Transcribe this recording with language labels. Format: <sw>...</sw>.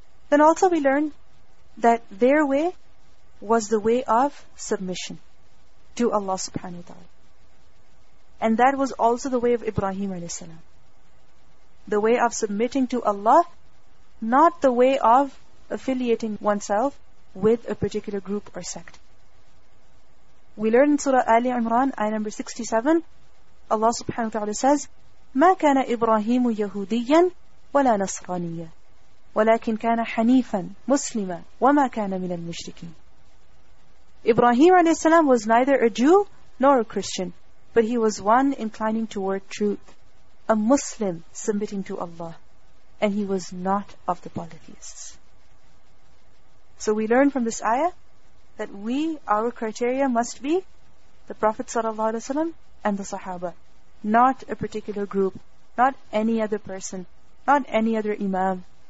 <en>Then also we learn that their way was the way of submission to Allah subhanahu wa ta'ala. And that was also the way of Ibrahim alayhi salam. The way of submitting to Allah, not the way of affiliating oneself with a particular group or sect. We learn in Surah Ali Imran, ayah number 67, Allah subhanahu wa ta'ala says,</en> <ar>مَا كَانَ إِبْرَاهِيمُ يَهُودِيًّا وَلَا نَصْرَانِيًّا وَلَكِنْ كَانَ حَنِيفًا مُسْلِمًا وَمَا كَانَ مِنَ الْمُشْرِكِينَ.</ar> <en>Ibrahim a.s. was neither a Jew nor a Christian, but he was one inclining toward truth, a Muslim submitting to Allah, and he was not of the polytheists. So we learn from this ayah that we, our criteria must be the Prophet ﷺ and the Sahaba, not a particular group, not any other person, not any other imam.</en>